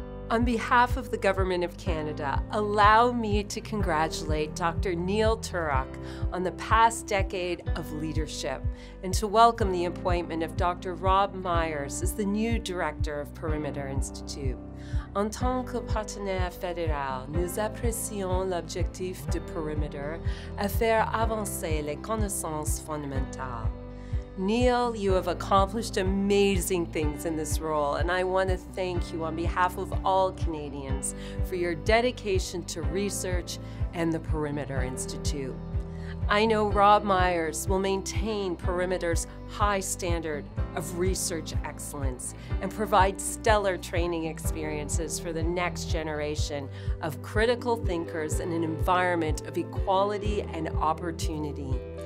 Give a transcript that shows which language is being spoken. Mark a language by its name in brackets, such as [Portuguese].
[English] On behalf of the Government of Canada, allow me to congratulate Dr. Neil Turok on the past decade of leadership and to welcome the appointment of Dr. Rob Myers as the new director of Perimeter Institute. [French] En tant que partenaire fédéral, nous apprécions l'objectif de Perimeter à faire avancer les connaissances fondamentales. [English] Neil, you have accomplished amazing things in this role, and I want to thank you on behalf of all Canadians for your dedication to research and the Perimeter Institute. I know Rob Myers will maintain Perimeter's high standard of research excellence and provide stellar training experiences for the next generation of critical thinkers in an environment of equality and opportunity.